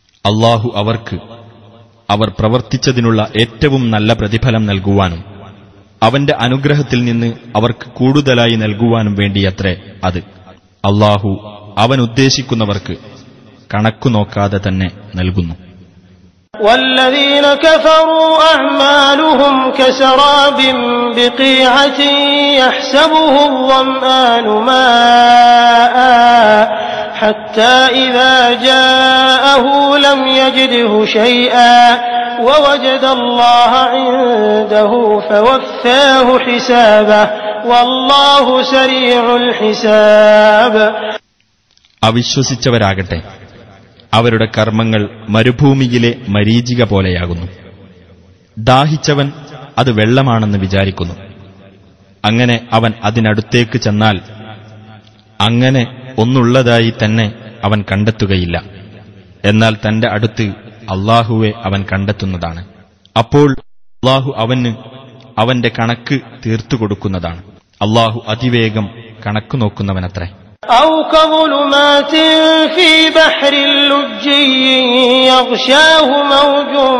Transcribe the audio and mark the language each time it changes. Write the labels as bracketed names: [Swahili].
[Malayalam] അള്ളാഹു അവർക്ക് അവർ പ്രവർത്തിച്ചതിനുള്ള ഏറ്റവും നല്ല പ്രതിഫലം നൽകുവാനും അവന്റെ അനുഗ്രഹത്തിൽ നിന്ന് അവർക്ക് കൂടുതലായി നൽകുവാനും വേണ്ടിയത്രേ അത്. അള്ളാഹു അവനുദ്ദേശിക്കുന്നവർക്ക് കണക്കു നോക്കാതെ തന്നെ നൽകുന്നു. [Arabic] والذين كفروا أعمالهم كسراب بقيعة يحسبه الظمآن ماء حتى إذا جاءه لم يجده شيئا ووجد الله عنده فوفاه حسابه والله سريع الحساب. [Malayalam] അവിശ്വസിച്ചവരാകട്ടെ, അവരുടെ കർമ്മങ്ങൾ മരുഭൂമിയിലെ മരീചിക പോലെയാകുന്നു. ദാഹിച്ചവൻ അത് വെള്ളമാണെന്ന് വിചാരിക്കുന്നു. അങ്ങനെ അവൻ അതിനടുത്തേക്ക് ചെന്നാൽ അങ്ങനെ ഒന്നുള്ളതായി തന്നെ അവൻ കണ്ടെത്തുകയില്ല. എന്നാൽ തന്റെ അടുത്ത് അള്ളാഹുവെ അവൻ കണ്ടെത്തുന്നതാണ്. അപ്പോൾ അള്ളാഹു അവന് അവന്റെ കണക്ക് തീർത്തു കൊടുക്കുന്നതാണ്. അള്ളാഹു അതിവേഗം കണക്ക് നോക്കുന്നവനത്രേ. [Arabic] أو كظلمات في بحر لجي يغشاه موج